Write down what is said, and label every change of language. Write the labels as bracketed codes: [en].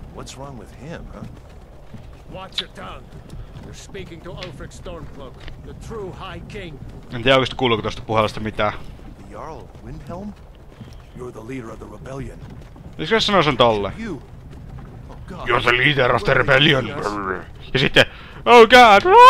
[en] What's wrong with him, huh? Watch your tongue. You're speaking to Ulfric Stormcloak, the true High King. [fi] En tiedä oikeesti kuuluuko tosta puhelusta mitään. [en] Jarl Windhelm? You're the leader of the rebellion. [fi] Miksi sanoo sen tolle? [en] You're the leader of the rebellion. [fi] Ja sitten... [en] Oh god!